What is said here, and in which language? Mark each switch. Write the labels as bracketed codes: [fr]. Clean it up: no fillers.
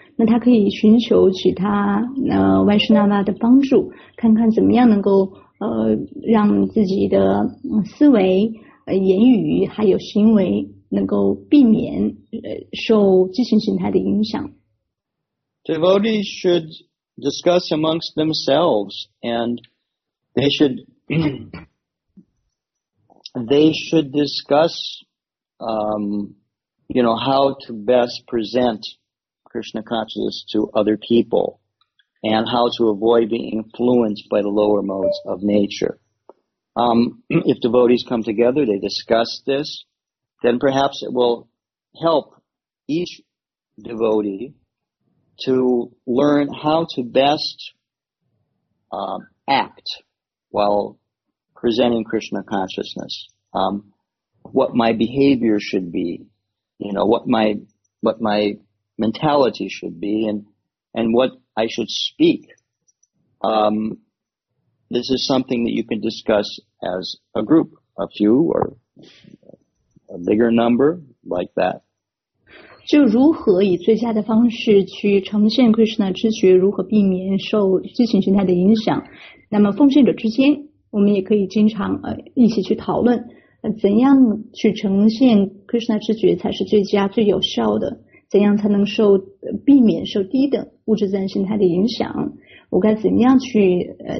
[zh] 那他可以寻求其他Vaishnava的帮助，看看怎么样能够让自己的思维、言语还有行为能够避免受畸形形态的影响。 [en] Devotees should discuss amongst themselves, and they should discuss, you know, how to best present Krishna consciousness to other people and how to avoid being influenced by the lower modes of nature. If devotees come together, they discuss this, then perhaps it will help each devotee to learn how to best act while presenting Krishna consciousness. What my behavior should be, you know, what my mentality should be, and what I should speak. This is something that you can discuss as a group, a few or a bigger number like that. [zh] 就如何以最佳的方式去呈现 Krishna 知觉，如何避免受畸形形态的影响，那么奉献者之间我们也可以经常一起去讨论怎样去呈现 Krishna 知觉才是最佳最有效的，怎样才能受避免受低等物质自然形态的影响，我该怎么样去